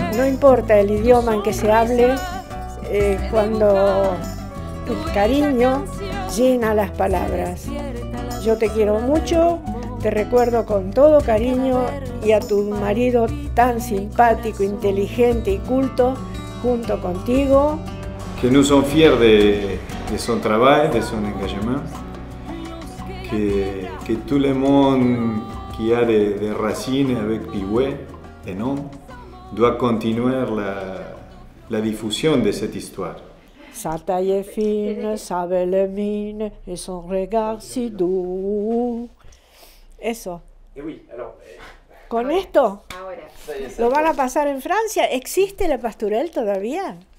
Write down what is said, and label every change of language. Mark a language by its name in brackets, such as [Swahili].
[Spanish] No importa el idioma en que se hable, cuando el cariño llena las palabras. Yo te quiero mucho, te recuerdo con todo cariño y a tu marido tan simpático, inteligente y culto junto contigo. [French] Que nous sommes fiers de son travail, de son engagement, que tout le monde qui a des racines avec Pigüé, des noms, doit continuer la diffusion de cette histoire. Sa taille est fine, sa belle mine et son regard si doux. [Spanish] Eso. [French] Et oui, alors... [Spanish] Con esto, lo van a pasar en Francia. ¿Existe la pastorelle todavía?